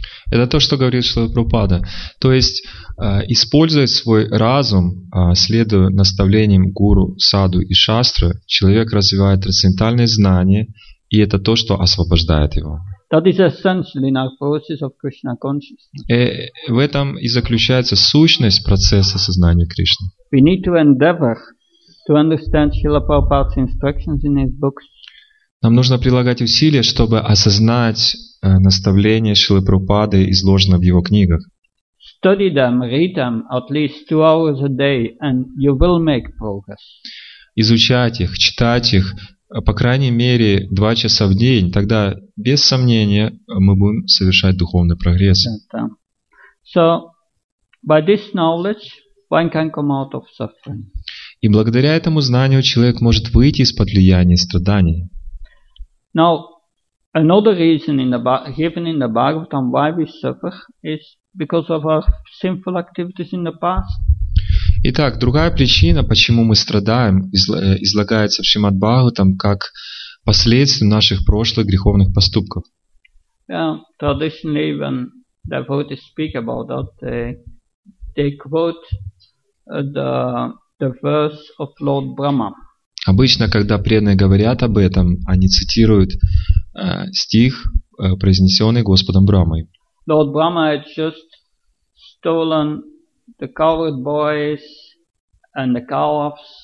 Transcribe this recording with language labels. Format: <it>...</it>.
<ru>Это то, что говорит Шрила Прабхупада. То есть, используя свой разум, следуя наставлениям Гуру, Саду и Шастры, человек развивает трансцендентальные знания, и это то, что освобождает его.</ru> <en>That is essentially now process of Krishna consciousness.</en> <ru>В этом и заключается сущность процесса сознания Кришны.</ru> <en>We need to endeavor to understand Srila Prabhupada's instructions in his books.</en> <ru>Нам нужно прилагать усилия, чтобы осознать наставления Шрилы Прабхупады, изложенные в его книгах.</ru> <en>Study them, read them at least 2 hours a day, and you will make progress.</en> <ru>Изучать их, читать их, по крайней мере 2 часа в день, тогда без сомнения мы будем совершать духовный прогресс.</ru> <en>So, by this knowledge, one can come out of suffering.</en> <ru>И благодаря этому знанию человек может выйти из-под влияния страданий.</ru> <en>Now, another reason given in the Bhagavatam why we suffer is because of our sinful activities in the past.</en> <ru>Итак, другая причина, почему мы страдаем, излагается в Шримад Бхагаватам как последствия наших прошлых греховных поступков.</ru> <en>Traditionally, when devotees speak about that, they quote the verse of Lord Brahma.</en> <ru>Обычно, когда преданные говорят об этом, они цитируют стих, произнесенный Господом Брахмой.</ru> <en>Lord Brahma had just stolen the coward boys and the cows.</en>